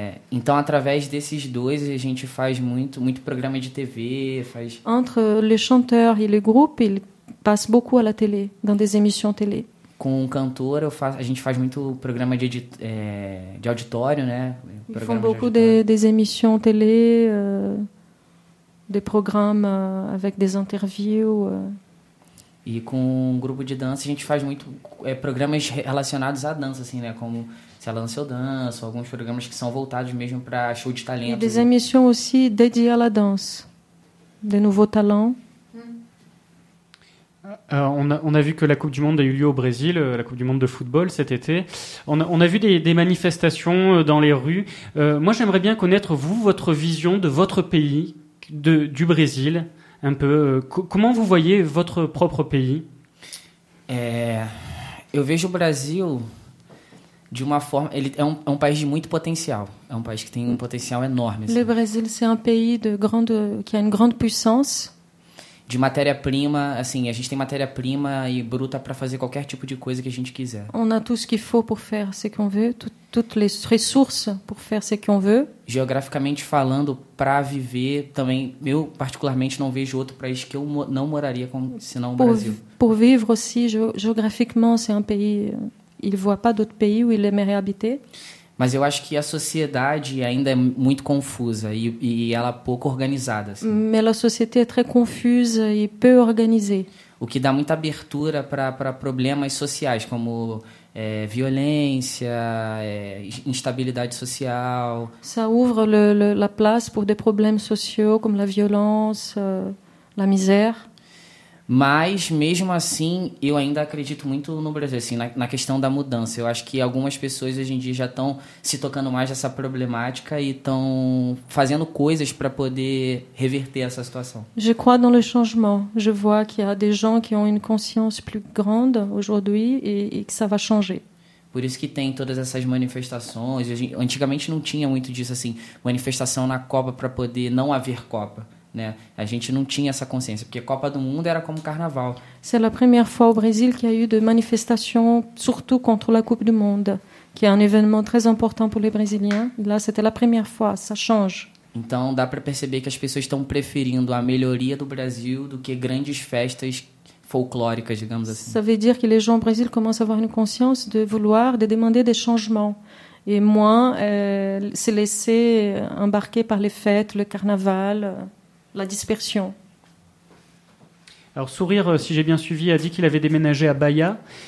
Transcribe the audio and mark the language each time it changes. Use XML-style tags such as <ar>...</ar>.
<pt>Então, através desses dois, a gente faz muito programa de TV, faz...</pt> <fr>Entre le chanteur et le groupe, il passe beaucoup à la télé, dans des émissions télé.</fr> <pt>Com o cantor, a gente faz muito programa de auditório, né?</pt> <fr>Ils font beaucoup des émissions télé, des programmes avec des interviews...</fr> <pt>E com um grupo de dança, a gente faz muito programas relacionados à dança, assim, né? Como Se Ela Dança, Eu Danço, alguns programas que são voltados mesmo para show de talento.</pt> <fr>E des émissions aussi dédiées à la danse, de nouveaux talents. On a vu que la Coupe du Monde a eu lieu au Brésil, la Coupe du Monde de football cet été. On a vu des manifestations dans les rues. Moi, j'aimerais bien connaître, vous, votre vision de votre pays, du Brésil.</fr> <pt>Um pouco, como</pt> <fr>vous voyez votre propre pays?</fr> <pt>Eu vejo o Brasil de uma forma, ele é um país de muito potencial. É um país que tem um potencial enorme. Assim.</pt> <fr>Le Brésil, c'est un pays de grande qui a une grande puissance.</fr> <pt>De matéria-prima, assim, a gente tem matéria-prima e bruta para fazer qualquer tipo de coisa que a gente quiser.</pt> <fr>On a tout ce qu'il faut pour faire ce qu'on veut, toutes les ressources pour faire ce qu'on veut.</fr> <pt>Geograficamente falando, para viver também, eu particularmente não vejo outro país que eu não moraria como senão o Brasil.</pt> <fr>Pour vivre aussi, géographiquement, c'est un pays, il voit pas d'autre pays où il aimerait habiter.</fr> <pt>Mas eu acho que a sociedade ainda é muito confusa e ela pouco organizada. Assim.</pt> <fr>Mais la société est très confuse et peu organisée.</fr> <pt>O que dá muita abertura para problemas sociais, como violência, instabilidade social.</pt> <fr>Ça ouvre la place pour des problèmes sociaux, comme la violence, la misère.</fr> <pt>Mas, mesmo assim, eu ainda acredito muito no Brasil, assim, na questão da mudança. Eu acho que algumas pessoas hoje em dia já estão se tocando mais dessa problemática e estão fazendo coisas para poder reverter essa situação.</pt> <fr>Je crois dans le changement. Je vois qu'il y a des gens qui ont une conscience plus grande aujourd'hui et que ça va changer.</fr> <pt>Por isso que tem todas essas manifestações. Antigamente não tinha muito disso, assim, manifestação na Copa para poder não haver Copa. Né? A gente não tinha essa consciência, porque a Copa do Mundo era como carnaval.</pt> <fr>C'est la première fois au Brésil qu'il y a eu de manifestations surtout contre la Coupe du Monde, qui est un événement très important pour les Brésiliens. Là, c'était la première fois, ça change.</fr> <pt>Então, dá para perceber que as pessoas estão preferindo a melhoria do Brasil do que grandes festas folclóricas, digamos assim.</pt> <fr>Ça veut dire que les gens au Brésil commencent à avoir une conscience de vouloir, de demander des changements et moins se laisser embarquer par les fêtes, le carnaval. La dispersion. Alors, Sourire, si j'ai bien suivi, a dit qu'il avait déménagé à Bahia.</fr>